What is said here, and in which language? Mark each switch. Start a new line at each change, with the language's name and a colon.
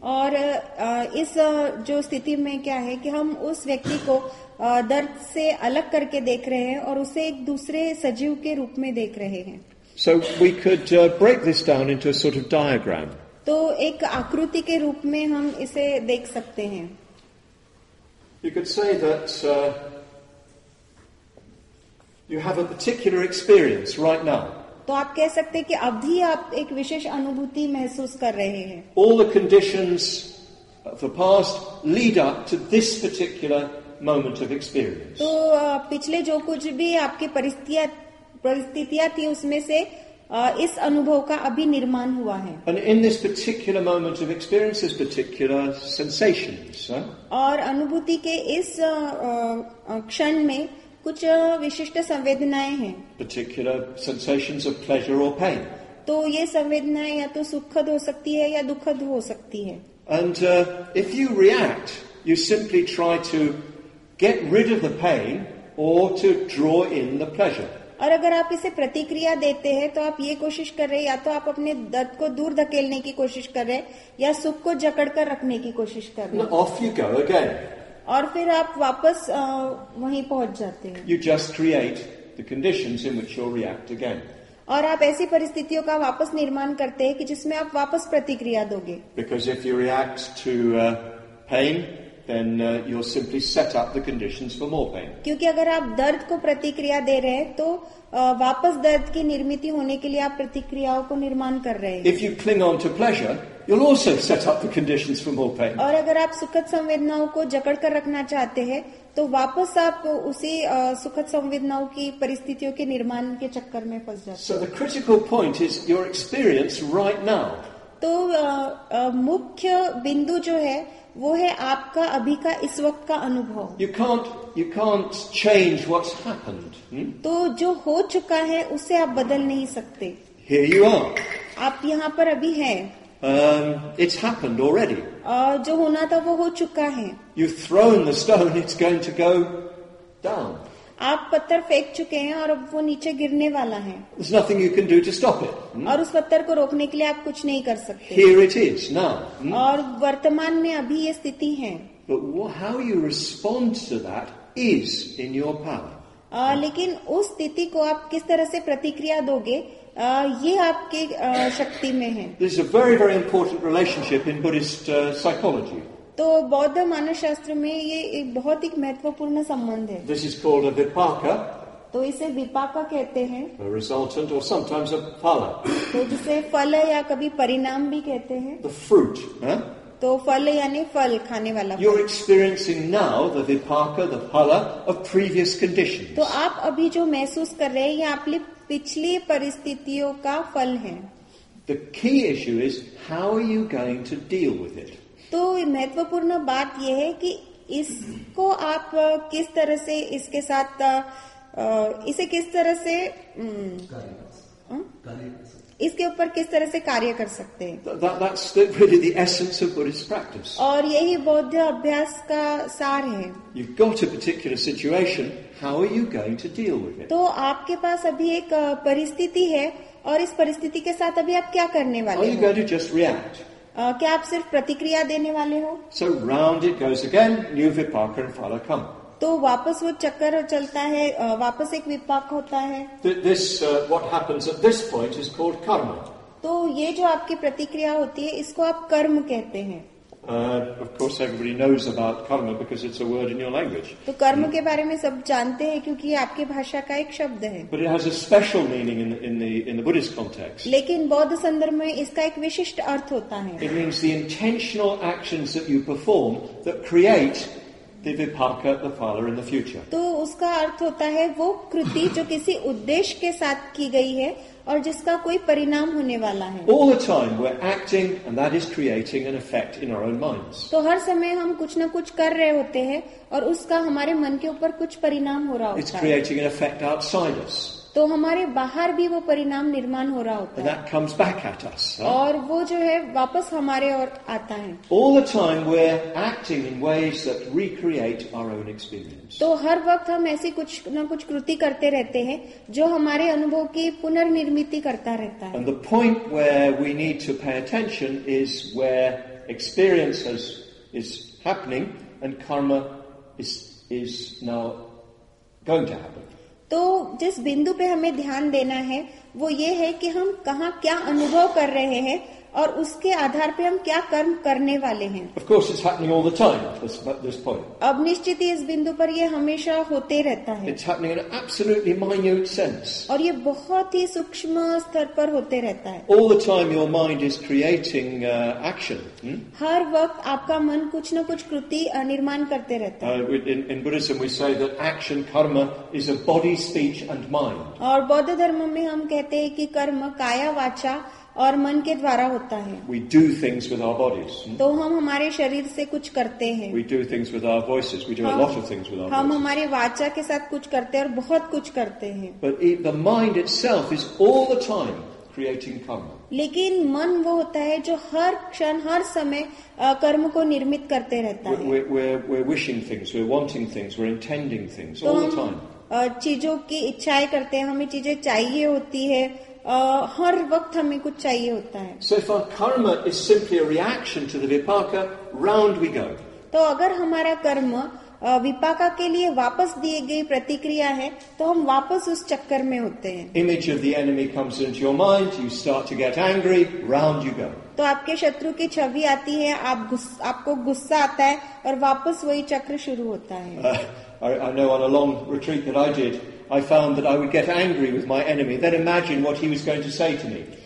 Hindi: और इस जो स्थिति में क्या है कि हम उस व्यक्ति को दर्द से अलग करके देख रहे हैं और उसे एक दूसरे सजीव के रूप में देख रहे हैं.
English: So we could break this down into a sort of diagram.
Hindi: तो एक आकृति के रूप में हम इसे देख सकते हैं.
English: You could say that you have a particular experience right now.
Hindi: तो आप कह सकते हैं कि अभी आप एक विशेष अनुभूति महसूस कर रहे हैं.
English: All the conditions of the past lead up to this particular moment of experience.
Hindi: तो पिछले जो कुछ भी आपके परिस्थितियां थी उसमें से इस अनुभव का अभी निर्माण हुआ है.
English: And in this particular moment of experience, this particular sensations,
Hindi: और अनुभूति के इस क्षण में कुछ विशिष्ट संवेदनाएं हैं.
English: Particular sensations of pleasure or pain.
Hindi: तो ये संवेदनाएं या तो सुखद हो सकती है या दुखद हो सकती है.
English: And if you react, you simply try to get rid of the pain or to draw in the pleasure.
Hindi: और अगर आप इसे प्रतिक्रिया देते हैं तो आप ये कोशिश कर रहे हैं या तो आप अपने दर्द को दूर धकेलने की कोशिश कर रहे हैं या सुख को जकड़ कर रखने की कोशिश कर रहे हैं.
English: Off you go again.
Hindi: और फिर आप वापस वहीं पहुंच जाते हैं.
English: You just create the conditions in which you react again.
Hindi: और आप ऐसी परिस्थितियों का वापस निर्माण करते हैं कि जिसमें आप वापस प्रतिक्रिया दोगे.
English: Because if you react to pain then you'll simply set up the conditions for more pain.
Hindi: क्योंकि अगर आप दर्द को प्रतिक्रिया दे रहे हैं तो वापस दर्द की निर्मिति होने के लिए आप प्रतिक्रियाओं को निर्माण कर रहे हैं.
English: If you cling on to pleasure, you'll also set up the conditions for more pain.
Hindi: और अगर आप सुखद संवेदनाओं को जकड़ कर रखना चाहते हैं तो वापस आप उसी सुखद संवेदनाओं की परिस्थितियों के निर्माण के चक्कर में फंस जाते हैं.
English: So the critical point is your experience right now.
Hindi: तो मुख्य बिंदु जो है वो है आपका अभी का इस वक्त का अनुभव.
English: You can't change what's happened.
Hindi: तो जो हो चुका है उसे आप बदल नहीं सकते.
English: Here you are.
Hindi: आप यहाँ पर अभी हैं.
English: It's happened already.
Hindi: जो होना था वो हो चुका है.
English: You've thrown the stone, it's going to go down.
Hindi: आप पत्थर फेंक चुके हैं और अब वो नीचे गिरने वाला है.
English: There's nothing you can do to stop it.
Hindi: और उस पत्थर को रोकने के लिए आप कुछ नहीं कर सकते.
English: Here it is now.
Hindi: और वर्तमान में अभी ये स्थिति है.
English: But how you respond to that is in your power.
Hindi: लेकिन उस स्थिति को आप किस तरह से प्रतिक्रिया दोगे ये आपके शक्ति में है.
English: This is a very very important relationship in Buddhist psychology.
Hindi: तो बौद्ध मानसशास्त्र में ये एक बहुत ही महत्वपूर्ण संबंध है.
English: This is called a vipaka.
Hindi: तो इसे विपाका कहते हैं.
English: A resultant or sometimes a phala.
Hindi: तो जिसे फल या कभी परिणाम भी कहते हैं.
English: The fruit.
Hindi: तो फल यानी फल खाने वाला.
English: You're experiencing now the vipaka, the phala of previous conditions.
Hindi: तो आप अभी जो महसूस कर रहे हैं ये आपके पिछली परिस्थितियों का फल है.
English: The key issue is how are you going to deal with it.
Hindi: तो महत्वपूर्ण बात यह है कि इसको आप किस तरह से इसके साथ इसे किस तरह से इसके ऊपर किस तरह से कार्य कर सकते हैं.
English: That's really the essence of Buddhist practice.
Hindi: और यही बौद्ध अभ्यास का सार है.
English: You've got a particular situation, how are you going to deal with it?
Hindi: तो आपके पास अभी एक परिस्थिति है और इस परिस्थिति के साथ अभी आप क्या करने वाले हैं?
English: Are you going to just react?
Hindi: क्या आप सिर्फ प्रतिक्रिया देने वाले हो?
English: So round it goes again, new vipaka and phala come.
Hindi: तो वापस वो चक्कर चलता है, वापस एक विपाक होता है.
English: This what happens at this point is called karma.
Hindi: तो ये जो आपकी प्रतिक्रिया होती है, इसको आप कर्म कहते हैं.
English: Of course, everybody knows about karma because it's a word in your language.
Hindi: तो कर्म के बारे में सब जानते हैं क्योंकि आपकी भाषा का एक शब्द है.
English: But it has a special meaning in the Buddhist context.
Hindi: लेकिन बौद्ध संदर्भ में इसका एक विशिष्ट अर्थ होता है.
English: It means the intentional actions that you perform that create the vipaka, the phala in the future.
Hindi: तो उसका अर्थ होता है वो कृति जो किसी उद्देश्य के साथ की गई है और जिसका कोई परिणाम होने वाला है.
English: All the time we're acting and that is creating an effect in our own minds.
Hindi: तो हर समय हम कुछ न कुछ कर रहे होते हैं और उसका हमारे मन के ऊपर कुछ परिणाम हो रहा होता है.
English: It's creating an effect outside us.
Hindi: तो हमारे बाहर भी वो परिणाम निर्माण हो रहा होता है.
English: And that comes back at us, huh?
Hindi: और वो जो है वापस हमारे और आता है.
English: All the time we're acting in ways that recreate our own experience.
Hindi: तो हर वक्त हम ऐसी कुछ न कुछ कृति करते रहते हैं जो हमारे अनुभव की पुनर्निर्मिति करता रहता है.
English: And the point where we need to pay attention is where experience is happening and karma is now going to happen.
Hindi: तो जिस बिंदु पे हमें ध्यान देना है वो ये है कि हम कहाँ क्या अनुभव कर रहे हैं और उसके आधार पे हम क्या कर्म करने वाले हैं.
English: Of course, it's happening all the time at this point.
Hindi: अब निश्चित ही इस बिंदु पर ये हमेशा होते रहता है.
English: It's happening in an absolutely minute sense.
Hindi: और ये बहुत ही सूक्ष्म स्तर पर होते रहता है.
English: All the time your mind is creating action.
Hindi: हर वक्त आपका मन कुछ न कुछ कृति निर्माण करते रहता है.
English: In Buddhism we say that action karma is a body, speech and mind.
Hindi: और बौद्ध धर्म में हम कहते हैं कि कर्म काया वाचा और मन के द्वारा होता है.
English: We do things with our bodies.
Hindi: तो हम हमारे शरीर से कुछ करते हैं.
English: We do things with our voices. We do a lot of things with our voices.
Hindi: हम हमारे वाचा के साथ कुछ करते हैं और बहुत कुछ करते हैं.
English: But the mind itself is all the time creating karma.
Hindi: लेकिन मन वो होता है जो हर क्षण हर समय कर्म को निर्मित करते रहता है.
English: We're wishing things, we're wanting things, we're intending things all the time.
Hindi: चीजों की इच्छाएं करते हैं, हमें चीजें चाहिए होती है. हर वक्त हमें कुछ चाहिए होता है.
English: So if our karma is simply a reaction to the vipaka, round we go.
Hindi: तो अगर हमारा कर्म विपाका के लिए वापस दिए गए प्रतिक्रिया है तो हम वापस उस चक्कर में होते हैं.
English: Image of the enemy comes into your mind, you start to get angry, round you go.
Hindi: तो आपके शत्रु की छवि आती है, आपको गुस्सा आता है और वापस वही चक्र शुरू होता है.
English: I know on a long retreat that I did, I found that I would get angry with my enemy, then imagine what he was going to say to me.